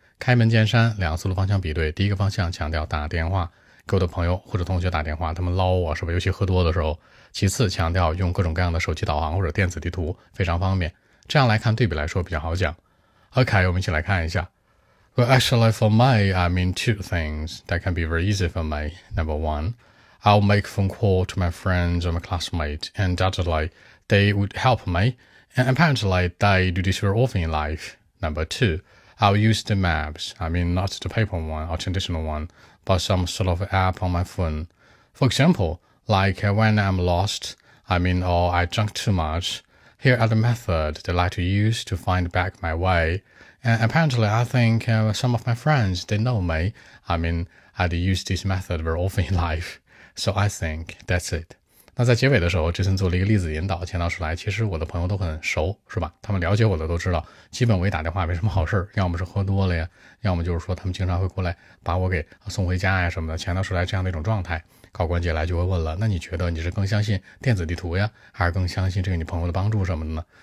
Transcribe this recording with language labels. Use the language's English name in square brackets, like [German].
[Chinese] 开门见山，两思路方向比对，第一个方向强调打电话，给我的朋友或者同学打电话，他们捞我是吧，尤其喝多的时候。其次强调用各种各样的手机导航或者电子地图，非常方便。这样来看对比来说比较好讲。OK, 我们一起来看一下。 [English] Well, actually, for me, I mean two things that can be very easy for me. Number one, I'll make phone call to my friends or my classmates, and undoubtedly, they would help me, and apparently, they do this very often in life. Number two, I'll use the maps, I mean not the paper one or traditional one, but some sort of app on my phone. For example, like when I'm lost, I mean, or I drunk too much,Here are the methods they like to use to find back my way. And apparently, I think some of my friends, they know me. I mean, I'd use this method very often in life. So I think that's it. [Chinese] 那在结尾的时候，Jason做了一个例子引导，强调出来，其实我的朋友都很熟，是吧？他们了解我的都知道，基本我一打电话没什么好事，要么是喝多了呀，要么就是说他们经常会过来把我给送回家呀什么的，强调出来这样的一种状态。考官接下来就会问了，那你觉得你是更相信电子地图呀，还是更相信这个你朋友的帮助什么的呢？